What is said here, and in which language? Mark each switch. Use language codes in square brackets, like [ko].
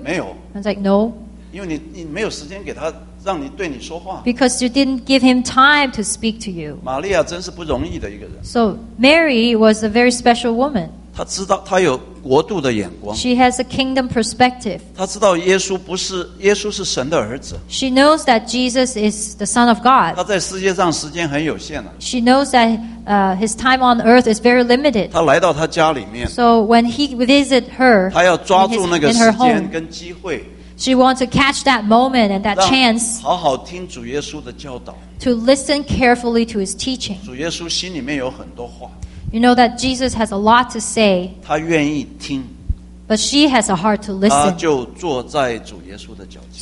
[zh] 没有。 [en] I was like, no. [zh] 因为你没有时间给他让你对你说话。 [en] Because you didn't give Him time to speak to you. [zh] 玛利亚真是不容易的一个人。 [en] So Mary was a very special woman. [zh] 他知道他有国度的眼光。 [en] She has a kingdom perspective. [zh] 他知道耶稣不是耶稣是神的儿子。 [en] She knows that Jesus is the Son of God. [zh] 他在世界上时间很有限了。 [en] She knows that his time on earth is very limited. [zh] 他来到他家里面。 [en] So when he visit her, [zh] 他要抓住那个时间跟机会。 [en] She wants to catch that moment and that chance. [zh] 好好听主耶稣的教导。 [en] To listen carefully to his teaching. [zh] 主耶稣心里面有很多话。 [en] You know that Jesus has a lot to say. [zh] 他愿意听 [en] But she has a heart to listen. [zh] 他就坐在主耶稣的脚前